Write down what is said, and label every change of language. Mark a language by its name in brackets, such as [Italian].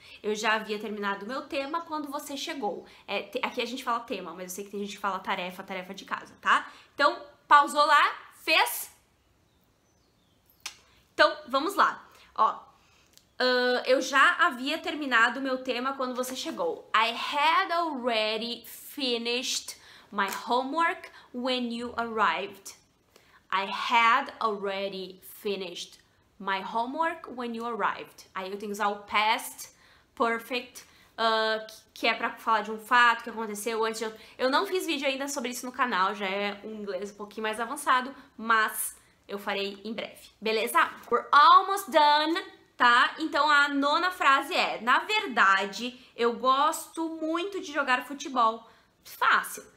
[Portuguese] Eu já havia terminado o meu tema quando você chegou. Aqui a gente fala tema, mas eu sei que tem gente que fala tarefa, tarefa de casa, tá? Então, pausou lá, fez? Então, vamos lá. Ó, eu já havia terminado o meu tema quando você chegou. [English] I had already finished my homework when you arrived. I had already finished my homework when you arrived. [Portuguese] Aí eu tenho que usar o past perfect, que é pra falar de um fato que aconteceu antes de... Eu não fiz vídeo ainda sobre isso no canal, já é um inglês um pouquinho mais avançado, mas... Eu farei em breve, beleza? [English] We're almost done, [Portuguese] tá? Então, a nona frase é... Na verdade, eu gosto muito de jogar futebol. Fácil.